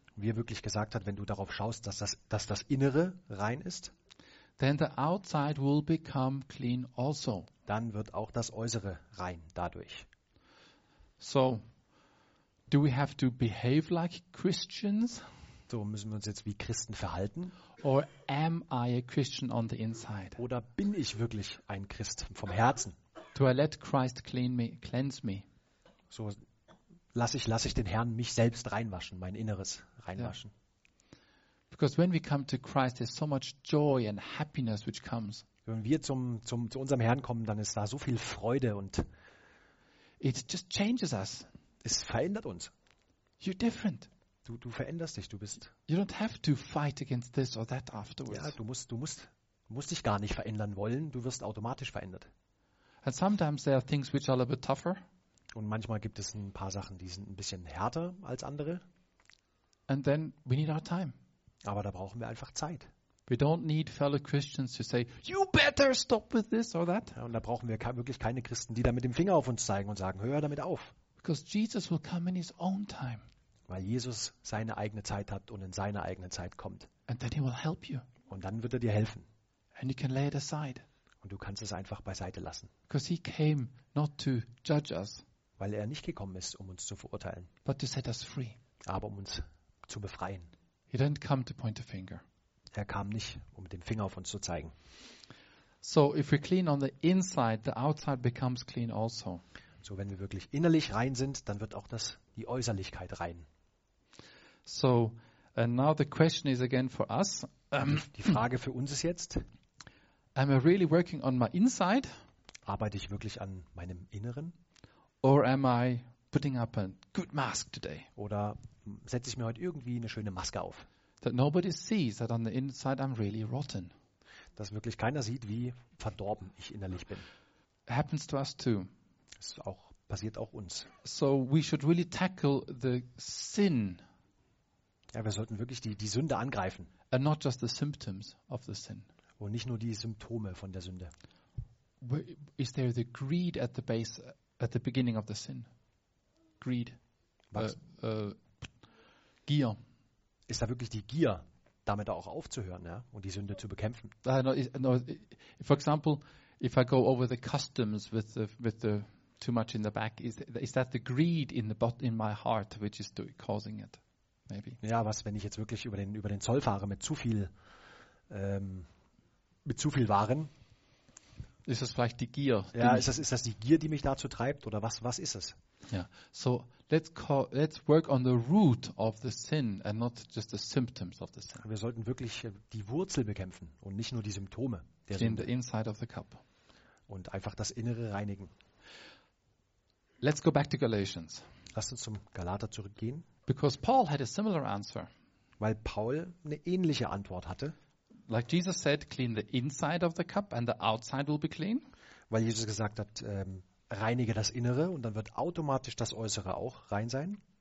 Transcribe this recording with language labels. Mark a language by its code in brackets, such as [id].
[de] wie er wirklich gesagt hat, wenn du darauf schaust, dass das Innere rein ist, [en] then the outside will become clean also. [de] Dann wird auch das Äußere rein dadurch. [en] So, do we have to behave like Christians? [de] So müssen wir uns jetzt wie Christen verhalten? [en] Or am I a Christian on the inside? [de] Oder bin ich wirklich ein Christ vom Herzen? [en] Do I let Christ clean me, cleanse me? [de] So lasse ich den Herrn mich selbst reinwaschen, mein Inneres reinwaschen. [en] Yeah. Because when we come to Christ, there's so much joy and happiness which comes. [de] Wenn wir zu unserem Herrn kommen, dann ist da so viel Freude und [en] it just changes us. [de] Es verändert uns. [en] You're different. [de] Du veränderst dich, du bist. [en] You don't have to fight against this or that afterwards. [de] Ja, du musst dich gar nicht verändern wollen, du wirst automatisch verändert. [en] And sometimes there are things which are a little bit tougher. [de] Und manchmal gibt es ein paar Sachen, die sind ein bisschen härter als andere. [en] And then we need our time. [de] Aber da brauchen wir einfach Zeit. [en] We don't need fellow Christians to say, you better stop with this or that. [de] Ja, und da brauchen wir wirklich keine Christen, die da mit dem Finger auf uns zeigen und sagen, hör damit auf. [en] Because Jesus will come in his own time. [de] Weil Jesus seine eigene Zeit hat und in seine eigene Zeit kommt. [en] And then he will help you. [de] Und dann wird er dir helfen. [en] And you can lay it aside. [de] Und du kannst es einfach beiseite lassen. [en] Because he came not to judge us. [de] Weil er nicht gekommen ist, um uns zu verurteilen. [en] But to set us free. [de] Aber um uns zu befreien. [en] He didn't come to point a finger. [de] Er kam nicht, um mit dem Finger auf uns zu zeigen. [en] So, if we're clean on the inside, the outside becomes clean also. [de] So, wenn wir wirklich innerlich rein sind, dann wird auch die Äußerlichkeit rein. [en] So, and now the question is again for us. [de] Die Frage für uns ist jetzt: [en] Am I really working on my inside? [de] Arbeite ich wirklich an meinem Inneren? [en] Or am I putting up a good mask today? [de] Oder setze ich mir heute irgendwie eine schöne Maske auf? [en] That nobody sees that on the inside I'm really rotten. [de] Dass wirklich keiner sieht, wie verdorben ich innerlich bin. [en] Happens to us too. [de] Es passiert auch uns. [en] So we should really tackle the sin. [de] Ja, wir sollten wirklich die Sünde angreifen. [en] And not just the symptoms of the sin. [de] Und nicht nur die Symptome von der Sünde. [en] Is there the greed at the base, at the beginning of the sin? Greed. [de] Gier. Ist da wirklich die Gier, damit auch aufzuhören, ja, und die Sünde zu bekämpfen? [en] No, for example, if I go over the customs with the too much in the back, is that the greed in my heart which is causing it? Maybe. [de] Ja, was, wenn ich jetzt wirklich über den Zoll fahre mit zu viel Waren? Ist das vielleicht die Gier? Ja, ist das die Gier, die mich dazu treibt, oder was ist es? Ja, yeah. [en] So let's work on the root of the sin and not just the symptoms of the sin. [de] Wir sollten wirklich die Wurzel bekämpfen und nicht nur die Symptome. [en] In the inside of the cup. [de] Und einfach das Innere reinigen. [en] Let's go back to Galatians. [de] Lasst uns zum Galater zurückgehen. [en] Because Paul had a similar answer. [de] Weil Paul eine ähnliche Antwort hatte. [en] Like Jesus said, clean the inside of the cup and the outside will be clean. [de] Weil Jesus gesagt hat, reinige das Innere und dann wird automatisch das Äußere auch rein sein.